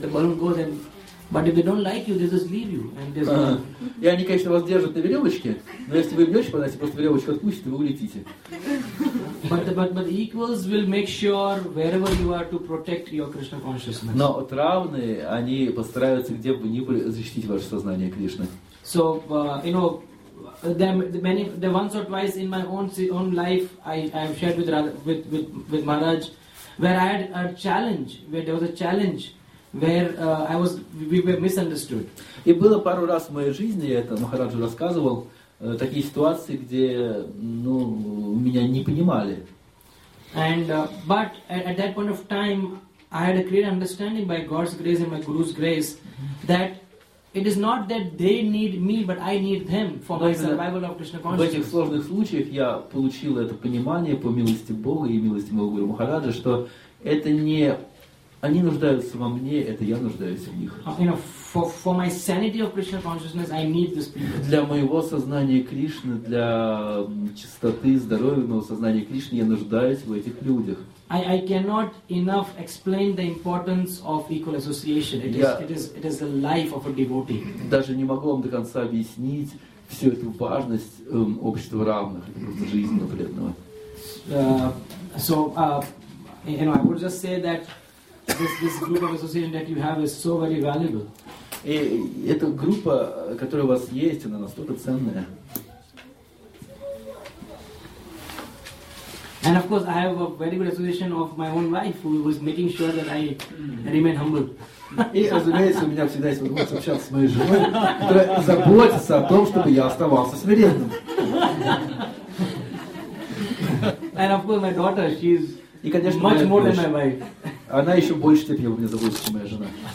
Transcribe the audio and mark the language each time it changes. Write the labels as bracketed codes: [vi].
[en] The balloon goes and but if they don't like you, they just leave you and there's [ru] И они, конечно, вас держат на веревочке, но если вы бьете, подайте просто веревочку отпустит, и вы улетите. [en] But equals will make sure wherever you are to protect your Krishna consciousness. [ru] Но вот равные, они постараются где бы ни были защитить ваше сознание Кришны. [en] So you know the once or twice in my own life I've shared with Maharaj. Where I had a challenge, where there was a challenge, where we were misunderstood. [ru] И было пару раз в моей жизни, я это Махараджу рассказывал, такие ситуации, где, ну, меня не понимали. [en] But at that point of time, I had a clear understanding by God's grace and my Guru's grace that It is not that they need me, but I need them for my survival of Krishna consciousness. [ru] В этих сложных случаях я получил это понимание по милости Бога и милости моего Гуру Махараджа, что это не они нуждаются во мне, это я нуждаюсь в них. [en] You know, for my sanity of Krishna consciousness, I need this people. [ru] Для моего сознания Кришны, для чистоты, здоровья моего сознания Кришны, я нуждаюсь в этих людях. [en] I cannot enough explain the importance of equal association. It is the life of a devotee. [ru] Даже не могу вам до конца объяснить всю эту важность общества равных, просто жизни преданного. [en] So, I would just say that this group of association that you have is so very valuable. [ru] И эта группа, которая у вас есть, она настолько ценная. [en] And of course, I have a very good association of my own wife, who was making sure that I remain humble. [ru] И, разумеется, у меня всегда есть возможность общаться с моей женой, которая заботится о том, чтобы я оставался смиренным. [en] And of course, my daughter, she's much more than my wife. [ru] Она еще больше степени обо мне заботится, чем моя жена.